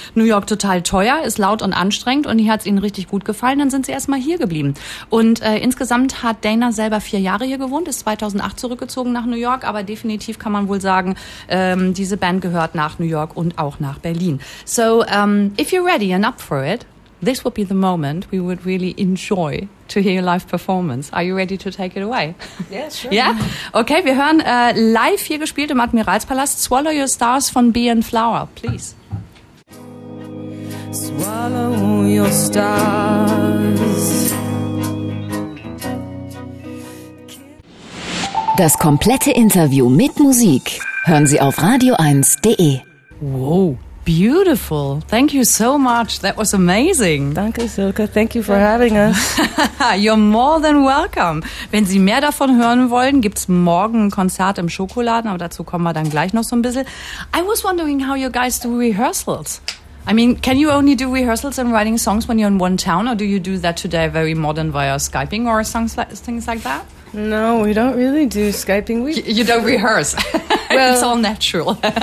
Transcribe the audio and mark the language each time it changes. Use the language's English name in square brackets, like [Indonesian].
[German] New York total teuer, ist laut und anstrengend, und hier hat es ihnen richtig gut gefallen, dann sind sie erstmal hier geblieben. Und insgesamt hat Dana selber 4 Jahre hier gewohnt, ist 2008 zurückgezogen nach New York, aber definitiv kann man wohl sagen, diese Band gehört nach New York und auch nach Berlin. [English] So, if you're ready and up for it, this would be the moment we would really enjoy to hear your live performance. Are you ready to take it away? Yeah, sure. [German] Yeah? Okay, wir hören live hier gespielt im Admiralspalast Swallow Your Stars von Bee and Flower, please. [English] Swallow your stars. [German] Das komplette Interview mit Musik hören Sie auf radio1.de. [English] Wow, beautiful. Thank you so much. That was amazing. Danke, Silke. Thank you for having us. You're more than welcome. [German] Wenn Sie mehr davon hören wollen, gibt's morgen ein Konzert im Schokoladen, aber dazu kommen wir dann gleich noch so ein bisschen. [English] I was wondering how you guys do rehearsals. I mean, can you only do rehearsals and writing songs when you're in one town, or do you do that today very modern via Skyping or things like that? No, we don't really do Skyping. You don't rehearse. Well, it's all natural.